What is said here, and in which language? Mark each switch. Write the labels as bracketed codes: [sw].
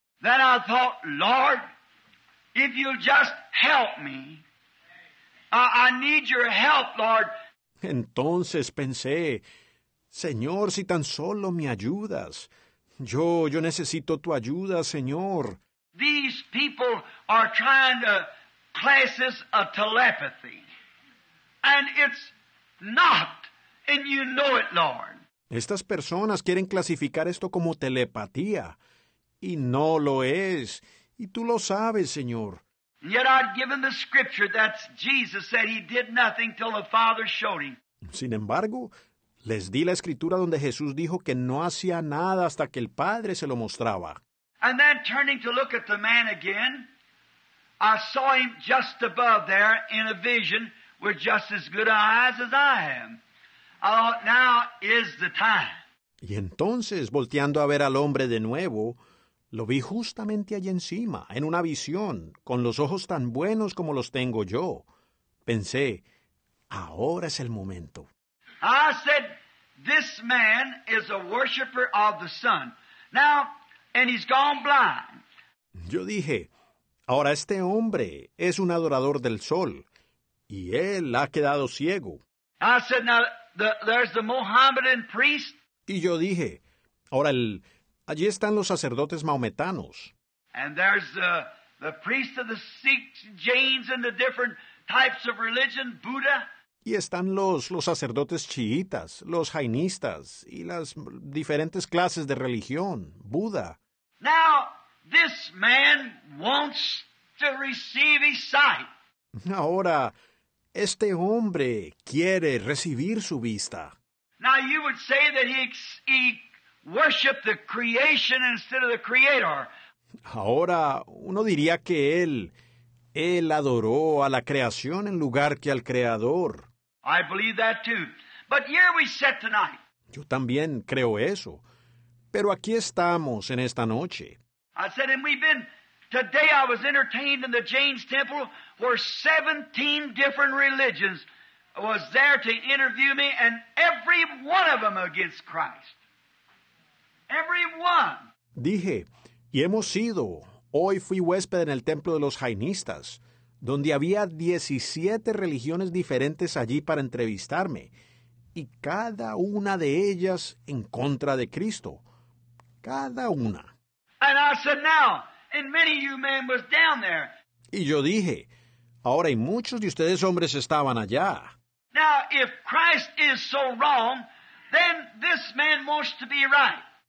[en] Then I thought, Lord, if you'll just help me, I need your help, Lord. [es] Entonces pensé, Señor, si tan solo me ayudas, yo necesito tu ayuda, Señor. [en] These people are trying to class this a telepathy. And it's not, and you know it, Lord. [es] Estas personas quieren clasificar esto como telepatía, y no lo es, y tú lo sabes, Señor. [en] Yet I've given the scripture that Jesus said he did nothing till the Father showed him. [es] Sin embargo, les di la escritura donde Jesús dijo que no hacía nada hasta que el Padre se lo mostraba. [en] And then turning to look at the man again, I saw him just above there in a vision with just as good eyes as I am. I thought, now is the time. [es] Y entonces, volteando a ver al hombre de nuevo, lo vi justamente allí encima, en una visión, con los ojos tan buenos como los tengo yo. Pensé, ahora es el momento. [en] I said, this man is a worshiper of the sun. Now, and he's gone blind. [es] Yo dije, ahora este hombre es un adorador del sol, y él ha quedado ciego. [en] I said, now, there's the Mohammedan priest. [es] Y yo dije, ahora allí están los sacerdotes maometanos. [en] And there's the priest of the Sikhs, Jains, and the different types of religion, Buddha. [es] Y están los sacerdotes chiitas, los jainistas y las diferentes clases de religión, Buda. [en] Now, this man wants to receive his sight. [es] Ahora, este hombre quiere recibir su vista. [en] Now, you would say that he worshiped the creation instead of the creator. [es] Ahora, uno diría que él adoró a la creación en lugar que al Creador. [en] I believe that too. But here we sit tonight. [es] Yo también creo eso. Pero aquí estamos en esta noche. [en] I said, and we've been, today I was entertained in the Jain's temple where 17 different religions was there to interview me, and every one of them against Christ. Every one. [es] Dije, y hemos ido. Hoy fui huésped en el templo de los jainistas, donde había 17 religiones diferentes allí para entrevistarme, y cada una de ellas en contra de Cristo. Cada una. [en] And I said, now, and many of you men was down there. [es] Y yo dije, ahora y muchos de ustedes hombres estaban allá. [en] Now, if Christ is so wrong, then this man wants to be right.